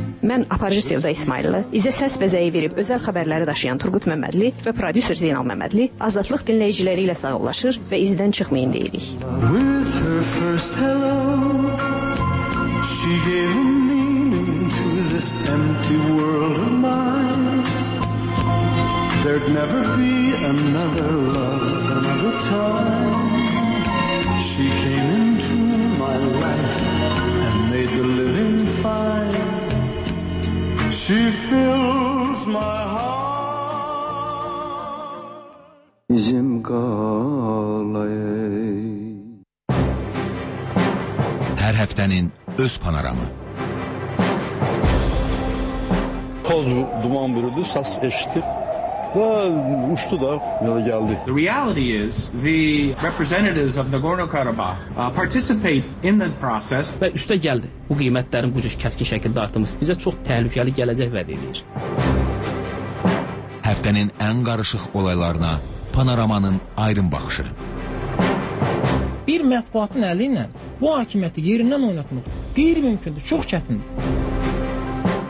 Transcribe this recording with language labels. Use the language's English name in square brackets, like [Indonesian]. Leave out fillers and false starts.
[Azerbaijani] Mən aparıcı Sevda İsmaillı, izə səs bəzəyi verib özəl xəbərləri daşıyan Turqut Məmmədli və prodüser Zeynal Məmmədli azadlıq dinləyiciləri ilə sağollaşır və izdən çıxmayın deyirik. [English] With her first hello, she gave a meaning to this empty world of mine. There'd never be another love, another time. She came into my life and made the living fine. She fills my heart. [Azerbaijani] Bizim qalayı. Hər həftənin öz panoramı. Toz duman bürüdü, səs eşitdi. Da uçtu da yola geldi. [English] The reality is the representatives of Nagorno-Karabakh participate in the process. [Azerbaijani] Və üstə gəldi. Bu qiymətlərin bu cür kəskin şəkildə artması bizə çox təhlükəli gələcək vəd edir. Həftənin ən qarışıq olaylarına panoramanın ayrım baxışı. Bir mətbuatın əli ilə bu hakimiyyəti yerindən oynatmaq qeyri-mümkündür, çox çətindir.